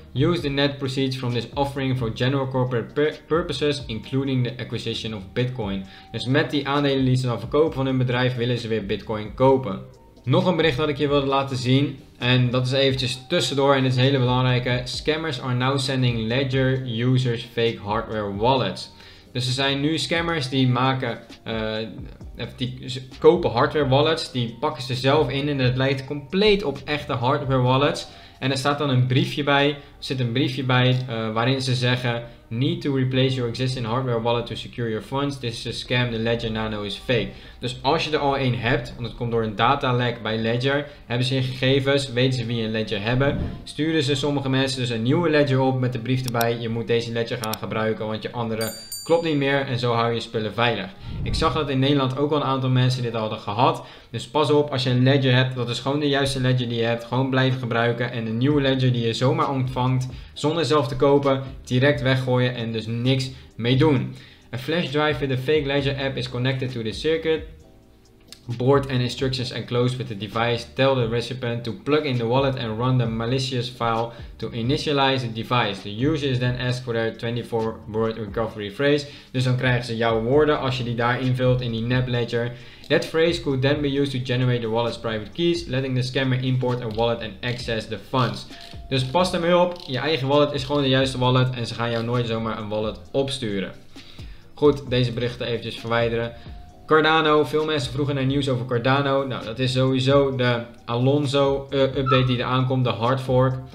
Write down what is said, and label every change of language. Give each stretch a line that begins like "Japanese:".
English: Use the net proceeds from this offering for general corporate purposes, including the acquisition of Bitcoin.
Dutch: Dus met die aandelen die ze dan verkopen van hun bedrijf, willen ze weer Bitcoin kopen. Nog een bericht dat ik je wilde laten zien. En dat is eventjes tussendoor en dit is een hele belangrijke.
English: Scammers are now sending Ledger users fake hardware wallets.
Dutch: Dus er zijn nu scammers die maken, die kopen hardware wallets. Die pakken ze zelf in en het lijkt compleet op echte hardware wallets. En er staat dan een briefje bij, waarin ze zeggen:
English: need to replace your existing hardware wallet to secure your funds. This is a scam, the Ledger Nano is fake.
Dutch: Dus als je er al een hebt, want het komt door een datalek bij Ledger, hebben ze je gegevens, weten ze wie een Ledger hebben, sturen ze sommige mensen dus een nieuwe Ledger op met de brief erbij: je moet deze Ledger gaan gebruiken, want je andere klopt niet meer en zo hou je spullen veilig. Ik zag dat in Nederland ook al een aantal mensen dit hadden gehad. Dus pas op, als je een Ledger hebt, dat is gewoon de juiste Ledger die je hebt. Gewoon blijven gebruiken en een nieuwe Ledger die je zomaar ontvangt, zonder zelf te kopen, direct weggooien en dus niks mee doen.
English: A flash drive with a fake Ledger app is connected to the circuit board and instructions enclosed with the device. Tell the recipient to plug in the wallet and run the malicious file to initialize the device. The user is then asked for their 24-word recovery phrase.
Dutch: Dus dan krijgen ze jouw woorden als je die daar invult in die nep ledger.
English: That phrase could then be used to generate the wallet's private keys, letting the scammer import a wallet and access the funds.
Dutch: Dus pas ermee op, je eigen wallet is gewoon de juiste wallet en ze gaan jou nooit zomaar een wallet opsturen. Goed, deze berichten eventjes verwijderen. Cardano, veel mensen vroegen naar nieuws over Cardano. Nou, dat is sowieso de Alonzo update die er aankomt, de hard fork.